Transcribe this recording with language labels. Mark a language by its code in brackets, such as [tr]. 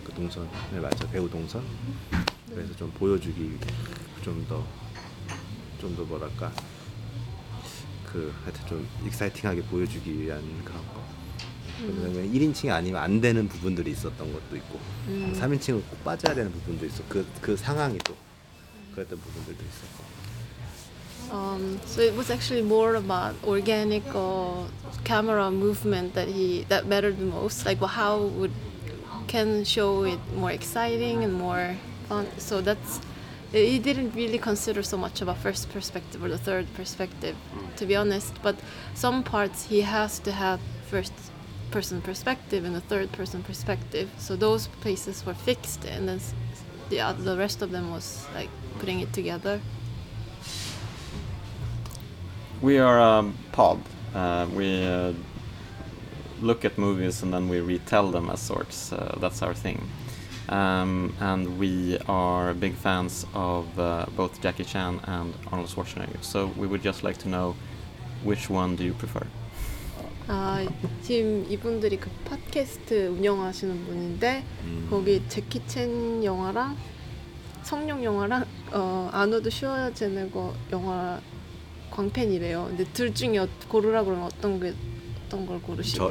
[ko] 그 동선에 맞춰, 배우 동선. 그래서 좀 보여주기 좀 더 뭐랄까. 하여튼 좀 익사이팅하게 보여주기 위한 그런 거. 1인칭이 아니면 안 되는 부분들이 있었던 것도 있고 3인칭은 꼭 빠져야 되는 부분도 있어. 그 상황이 또 그랬던 부분들도 있었고. [en] So it was actually more about organic camera movement that mattered the most. Like well, how would can show it more exciting and more fun. So that's he didn't really consider so much about first perspective or the third perspective, to be honest. But some parts he has to have first person perspective and a third person perspective. So those places were fixed, and then the rest of them was like putting it together. We are a pod. We look at movies and then we retell them as sorts. That's our thing. And we are big fans of both Jackie Chan and Arnold Schwarzenegger. So we would just like to know, which one do you prefer? [ko] 지금 이분들이 그 팟캐스트 운영하시는 분인데 거기 재키 첸 영화랑 성룡 영화랑 아노드 슈어제네거 영화 광팬이래요. 근데 둘 중에 고르라 그러면 어떤 게 어떤 걸 고르시죠?